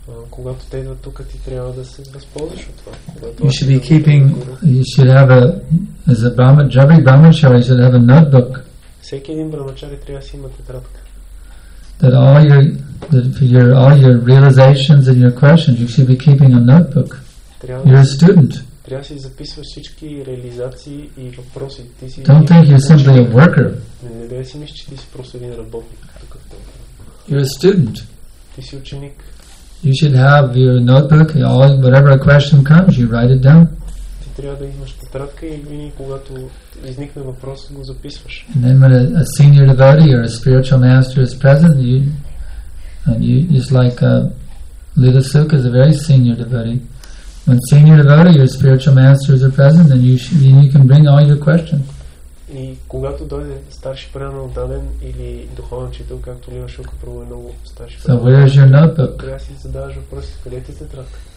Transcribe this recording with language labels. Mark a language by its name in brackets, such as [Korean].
[Bulgarian] Когато те идват тук, ти трябва да се възползваш от това. [English] You should be keeping, you should have a, as a brahmachari, brahmachari should have a notebook. [Bulgarian] Всеки един брамачари трябва да си има тетрадка. [English] That all your, that for your, all your realizations and your questions, you should be keeping a notebook. You're a student. [Bulgarian] Трябва да си записваш всички реализации и въпроси. Ти си. [English] Don't think you're simply a worker. [Bulgarian] Не дай си мисли, че ти си просто един работник. [English] You're a student. [Bulgarian] Ти си ученик. [English] You should have your notebook, all, whatever a question comes, you write it down. [Bulgarian] Ти трябва да имаш тетрадка и когато изникне въпрос, го записваш. [English] And then when a senior devotee or a spiritual master is present, you, and you, it's like a Lila Sukha is a very senior devotee. When senior devotee or spiritual masters are present, then you should, then you can bring all your questions. [Bulgarian] И когато дойде старши предан отдаден или духовен учител, както Лила Шука първо е много старши предан. [English] So where is your notebook? [Bulgarian] Трябва си задаваш въпроси, къде ти тетрадка?